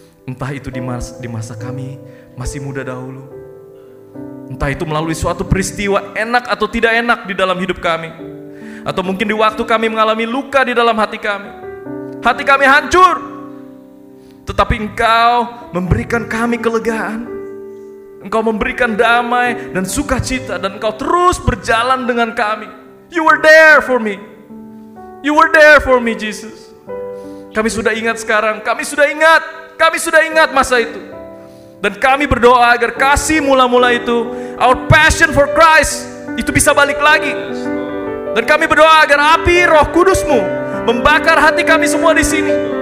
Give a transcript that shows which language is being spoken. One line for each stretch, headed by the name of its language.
Indonesian: Entah itu di masa kami masih muda dahulu, entah itu melalui suatu peristiwa enak atau tidak enak di dalam hidup kami, atau mungkin di waktu kami mengalami luka di dalam hati kami, hati kami hancur, tetapi Engkau memberikan kami kelegaan, Engkau memberikan damai dan sukacita, dan Engkau terus berjalan dengan kami.
English: You were there for me. You were there for me, Jesus.
Indonesian: Kami sudah ingat sekarang, kami sudah ingat masa itu. Dan kami berdoa agar kasih mula-mula itu,
English: our passion for Christ,
Indonesian: itu bisa balik lagi. Dan kami berdoa agar api Roh Kudus-Mu membakar hati kami semua di sini.